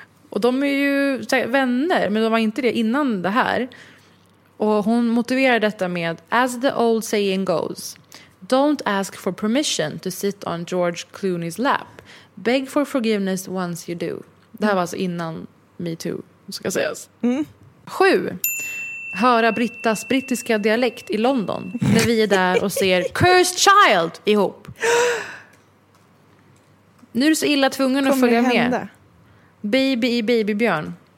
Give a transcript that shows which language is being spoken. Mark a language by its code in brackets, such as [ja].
[sv] Och de är ju vänner, men de var inte det innan det här. Och hon motiverar detta med: [en] as the old saying goes, don't ask for permission to sit on George Clooney's lap. Beg for forgiveness once you do. [sv] Det här var alltså innan Me Too, ska sägas. 7. Höra Brittas brittiska dialekt i London när vi är där och ser Cursed Child ihop. Nu är du så illa tvungen att följa med. Baby i Babybjörn.